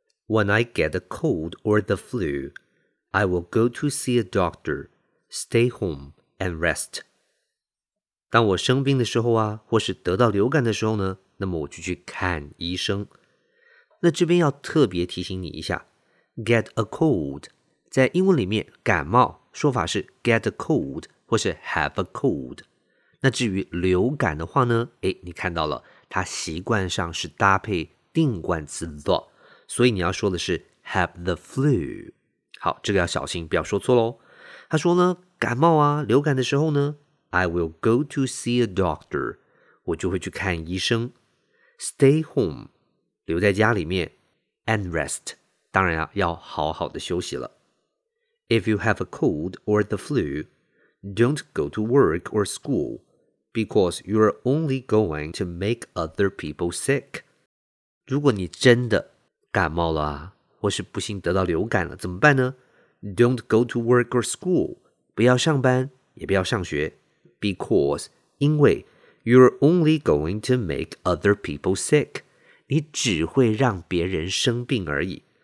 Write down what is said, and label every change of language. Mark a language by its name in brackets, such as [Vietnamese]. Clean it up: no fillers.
[English] ，When I get a cold or the flu, I will go to see a doctor, stay home and rest。 [Chinese] 当我生病的时候啊，或是得到流感的时候呢，那么我就去看医生。那这边要特别提醒你一下 ， [English] get a cold， [Chinese] 在英文里面感冒说法是 get a cold 或是 [English] have a cold。 [Chinese] 那至于流感的话呢，哎，你看到了，它习惯上是搭配定冠词 the， 所以你要说的是 [English] have the flu。 [Chinese] 好，这个要小心，不要说错咯。他说呢，感冒啊，流感的时候呢， [English] I will go to see a doctor， [Chinese] 我就会去看医生。 [English] Stay home， [Chinese] 留在家里面， [English] and rest， [Chinese] 当然啊，要好好的休息了。 [English] If you have a cold or the flu， don't go to work or school， because you are only going to make other people sick。 [Chinese] 如果你真的感冒了啊，或是不幸得到流感了，怎么办呢？ [English] Don't go to work or school， [Chinese] 不要上班，也不要上学。 [English] Because， [Chinese] 因为 [English] You're only going to make other people sick， [Chinese] 你只会让别人生病而已。